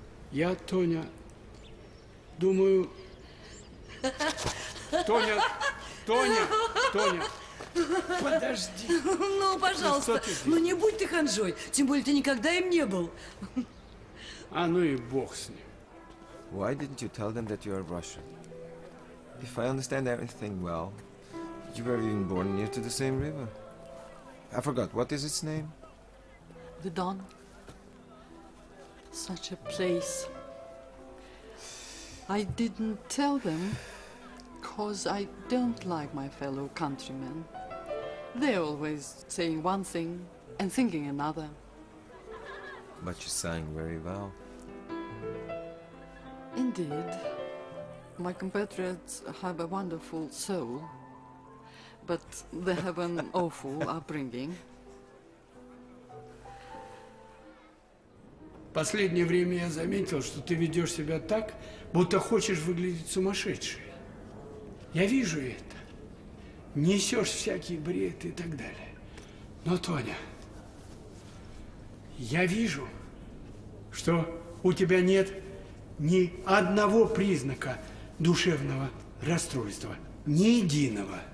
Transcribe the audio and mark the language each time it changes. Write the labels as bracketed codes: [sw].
[ru] Я, Тоня, думаю... Тоня! Подожди! Ну, пожалуйста, ну не будь ты ханжой, тем более ты никогда им не был. А ну и бог с ним. [en] Why didn't you tell them that you are Russian? If I understand everything well... You were even born near to the same river. I forgot, what is its name? The Don. Such a place. I didn't tell them, cause I don't like my fellow countrymen. They're always saying one thing and thinking another. But you sang very well. And Indeed. My compatriots have a wonderful soul, but they have an awful upbringing. [ru] Последнее время я заметил, что ты ведешь себя так, будто хочешь выглядеть сумасшедшей. Я вижу это. Несешь всякий бред и так далее. Но, Тоня, я вижу, что у тебя нет ни одного признака душевного расстройства. Ни единого.